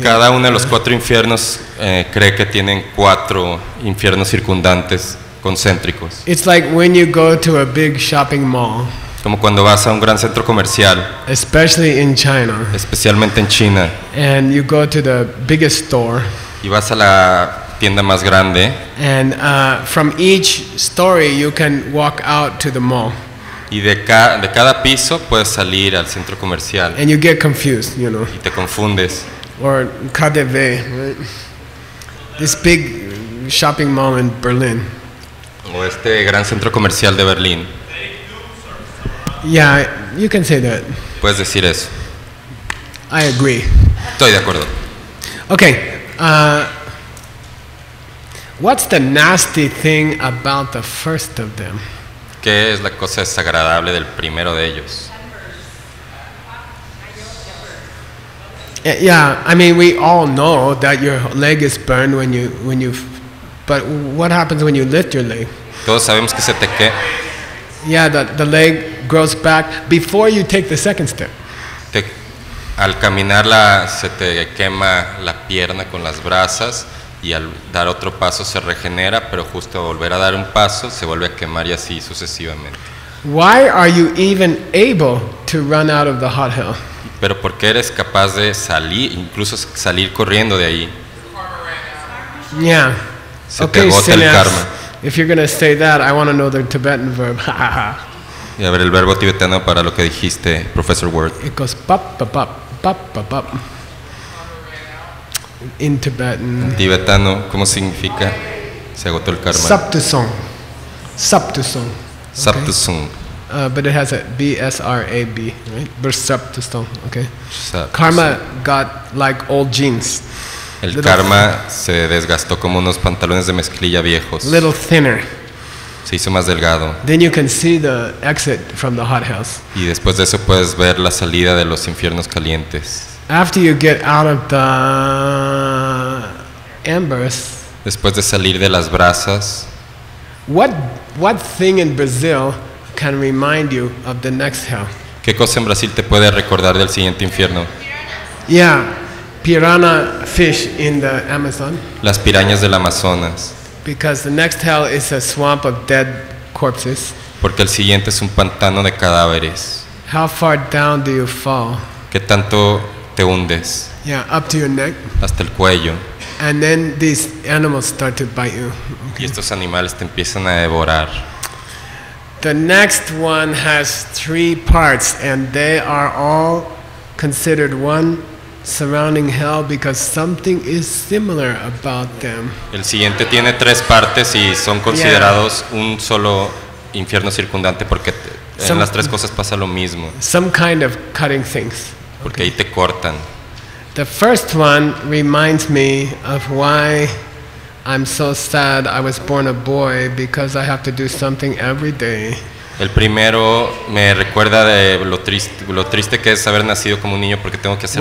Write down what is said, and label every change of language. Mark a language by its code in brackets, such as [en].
[es] Cada uno de los cuatro infiernos cree que tienen cuatro infiernos circundantes concéntricos. [en] It's like when you go to a big shopping mall. [es] Como cuando vas a un gran centro comercial. [en] Especially in China. [es] Especialmente en China. [en] And you go to the biggest store. [es] Y vas a la tienda más grande. [en] And from each story you can walk out to the mall. [es] Y de cada piso puedes salir al centro comercial. [en] And you get confused, you know. [es] Y te confundes. [en] Or KDV, right? This big shopping mall in Berlin. [es] O este gran centro comercial de Berlín. [en] Yeah, you can say that. [es] Puedes decir eso. [en] I agree. [es] Estoy de acuerdo. [en] Okay. What's the nasty thing about the first of them? [es] ¿Qué es la cosa desagradable del primero de ellos? [en] Yeah, I mean, we all know that your leg is burned when you. But what happens when you lift your leg? [es] Todos sabemos que se te quema. [en] Yeah, the leg grows back before you take the second step. [es] Al caminar se te quema la pierna con las brasas y al dar otro paso se regenera, pero justo a volver a dar un paso se vuelve a quemar y así sucesivamente. [en] Why are you even able to run out of the hot hell? [es] Pero ¿por qué eres capaz de salir, incluso salir corriendo de ahí? [en] Yeah. [es] Se te agota el karma. [en] If you're going to say that, I want to know the Tibetan verb. [es] Y a ver el verbo tibetano para lo que dijiste, Professor Word. [en] It goes pop, pop, pop, pop, pop, pop. In Tibetan. [es] En tibetano, ¿cómo significa? Se agotó el karma. [bo] Saptusong. Saptusong. Saptusong. [en] Okay. But it has a B-S-R-A-B, right? Bersaptusong, okay. Saptusong. Karma got like old jeans. [es] El karma se desgastó como unos pantalones de mezclilla viejos. [en] Little thinner. [es] Se hizo más delgado. [en] Then you can see the exit from the hot hells. [es] Y después de eso puedes ver la salida de los infiernos calientes. [en] After you get out of the embers. [es] Después de salir de las brasas. [en] What thing in Brazil can remind you of the next hell? [es] ¿Qué cosa en Brasil te puede recordar del siguiente infierno? [en] Yeah. Piranha fish in the Amazon. [es] Las pirañas del Amazonas. [en] Because the next hell is a swamp of dead corpses. [es] Porque el siguiente es un pantano de cadáveres. [en] How far down do you fall? [es] ¿Qué tanto te hundes? [en] Yeah, up to your neck. [es] Hasta el cuello. [en] And then these animals start to bite you. [es] Okay. Y estos animales te empiezan a devorar. [en] The next one has three parts and they are all considered one surrounding hell because something is similar about them. [es] El siguiente tiene tres partes y son considerados un solo infierno circundante porque en las tres cosas pasa lo mismo. [en] Some kind of cutting things. [es] Porque ahí te cortan. [en] The first one reminds me of why I'm so sad I was born a boy because I have to do something every day. [es] El primero me recuerda de lo triste que es haber nacido como un niño porque tengo que hacer